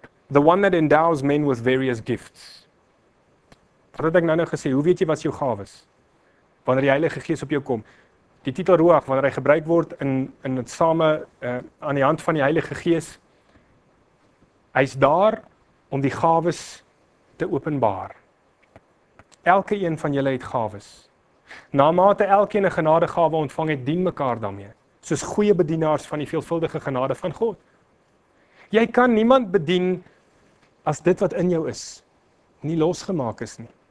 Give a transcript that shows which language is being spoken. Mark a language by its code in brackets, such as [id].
[en] The one that endows men with various gifts. [af] Wat het ek nou gesê? Hoe weet jy wat jou gawe is? Wanneer die Heilige Gees op jou kom. Die titel Ruach, wanneer hy gebruik word in het same, aan die hand van die Heilige Gees, hy is daar om die gawes te openbaar. Elke een van julle het gawes. Namate elkeen 'n genadegawe ontvang het, dien mekaar daarmee, soos goeie bedienaars van die veelvuldige genade van God. Jy kan niemand bedien as dit wat in jou is, nie losgemaak is nie.